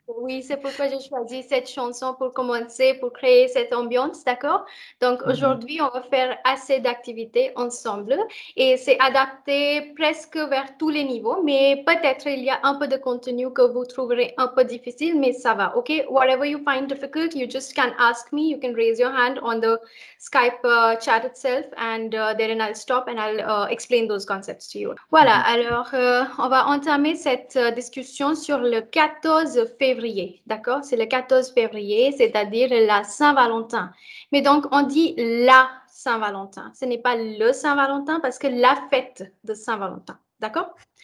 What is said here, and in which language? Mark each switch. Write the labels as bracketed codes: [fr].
[fr] Oui, c'est pourquoi j'ai choisi cette chanson pour commencer, pour créer cette ambiance, d'accord? Donc aujourd'hui, on va faire assez d'activités ensemble et c'est adapté presque vers tous les niveaux, mais peut-être il y a un peu de contenu que vous trouverez un peu difficile, mais ça va, ok? [en] Whatever you find difficult, you just can ask me, you can raise your hand on the Skype chat itself and then I'll stop and I'll explain those concepts to you. [fr] Voilà, alors on va entamer cette discussion sur le 14 février, d'accord? C'est le 14 février, c'est-à-dire la Saint-Valentin. Mais donc, on dit la Saint-Valentin. Ce n'est pas le Saint-Valentin parce que la fête de Saint-Valentin, d'accord?